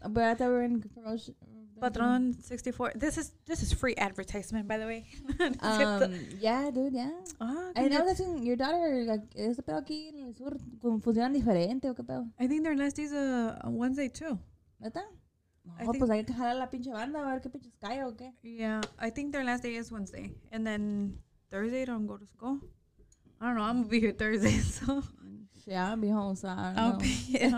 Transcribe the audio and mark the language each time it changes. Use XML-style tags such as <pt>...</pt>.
<en>But I thought we were in promotion. Patron 64. This is free advertisement, by the way. yeah, dude, yeah. And I was asking your daughter, like,</en> <es>¿es pedo aquí en el sur? ¿Funcionan diferente o qué pedo?</es> <en>I think their last day's a Wednesday, too.</en> <es>¿Neta? Oh, pues hay que jalar la pinche banda a ver qué pinche sky o qué.</es> <en>Yeah, I think their last day is Wednesday. And then Thursday, don't go to school. I don't know, I'm going to be here Thursday, so... Yeah, I'll be home, so I don't know.</en>